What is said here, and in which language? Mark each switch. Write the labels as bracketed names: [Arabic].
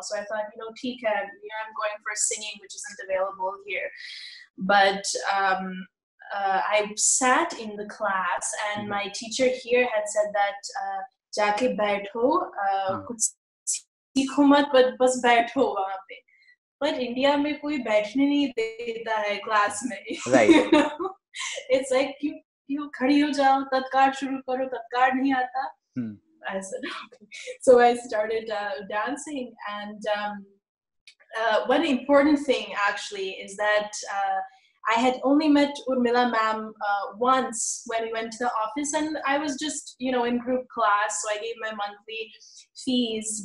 [English] So I thought, you know, Tika, here I'm going for singing, which isn't available here. But I sat in the class and my teacher here had said that [Hindi] jaake baitho kuch sikho mat but bas baitho wahan pe. But India में कोई बैठने नहीं देता है class में. [English] Right. It's like you [Hindi] खड़ी हो जाओ, ततकार शुरू करो, ततकार नहीं आता. [English] I said, okay. So I started dancing, and one important thing actually is that I had only met Urmila ma'am once when we went to the office, and I was just, you know, in group class, so I gave my monthly fees.